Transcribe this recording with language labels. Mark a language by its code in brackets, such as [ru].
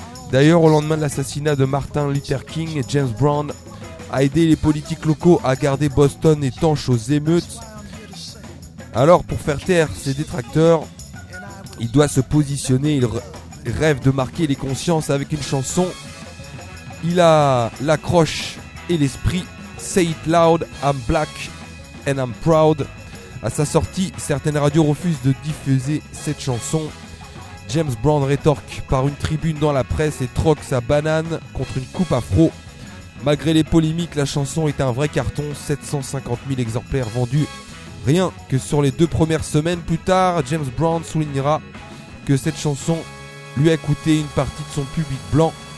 [fr] D'ailleurs, au lendemain de l'assassinat de Martin Luther King, James Brown a aidé les politiques locaux à garder Boston étanche aux émeutes. Alors, pour faire taire ses détracteurs, il doit se positionner. Il rêve de marquer les consciences avec une chanson. Il a l'accroche et l'esprit. [en] Say it loud, I'm black and I'm proud. [fr] À sa sortie, certaines radios refusent de diffuser cette chanson. James Brown rétorque par une tribune dans la presse et troque sa banane contre une coupe afro. Malgré les polémiques, la chanson est un vrai carton. 750 000 exemplaires vendus. Rien que sur les deux premières semaines. Plus tard, James Brown soulignera que cette chanson lui a coûté une partie de son public blanc.